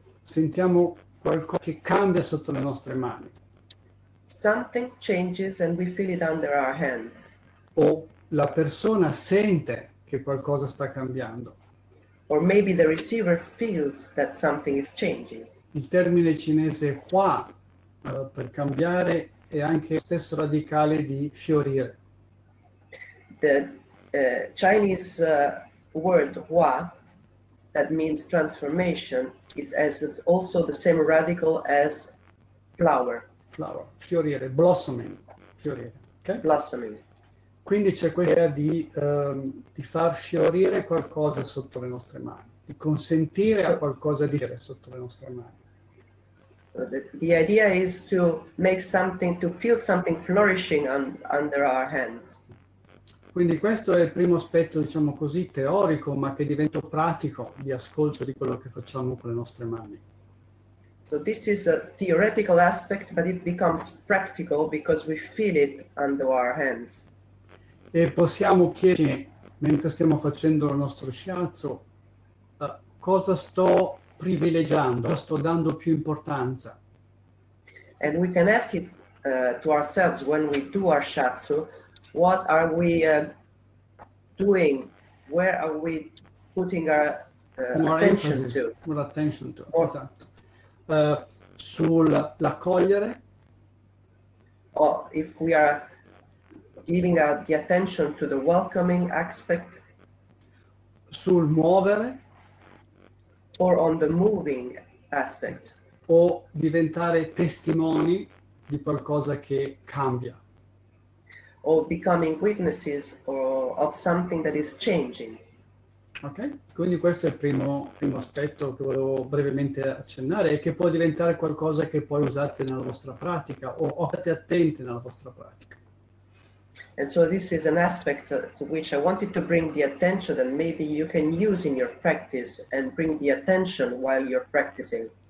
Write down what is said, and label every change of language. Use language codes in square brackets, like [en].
[it] Sentiamo qualcosa che cambia sotto le nostre mani. [en] Something changes and we feel it under our hands. [it] O la persona sente che qualcosa sta cambiando. [en] Or maybe the receiver feels that something is changing. [it] Il termine cinese hua, per cambiare, è anche lo stesso radicale di fiorire. [en] The Chinese word hua, that means transformation, it's also the same radical as flower, [it] fiorire, blossoming, fiorire, okay? [en] Blossoming. [it] Quindi c'è quella di far fiorire qualcosa sotto le nostre mani, di consentire a qualcosa di fiorire sotto le nostre mani. [en] The idea is to make something, to feel something flourishing under our hands. [it] Quindi questo è il primo aspetto, diciamo così, teorico, ma che diventa pratico, di ascolto di quello che facciamo con le nostre mani. [en] So this is a theoretical aspect, but it becomes practical because we feel it under our hands. [it] E possiamo chiedere, mentre stiamo facendo il nostro shiatsu, cosa sto privilegiando, sto dando più importanza. [en] And we can ask it to ourselves when we do our shiatsu, what are we doing? Where are we putting our attention to? More, esatto. [it] Sull'accogliere. [en] Or if we are giving the attention to the welcoming aspect. [it] Sul muovere. [en] Or on the moving aspect. [it] O diventare testimoni di qualcosa che cambia. [en] Or becoming witnesses of something that is changing. [it] Ok, quindi questo è il primo aspetto che volevo brevemente accennare e che può diventare qualcosa che poi usate nella vostra pratica o state attenti nella vostra pratica. [en] And so this is an aspect to which I wanted to bring the attention that maybe you can use in your practice and bring the attention while you're practicing.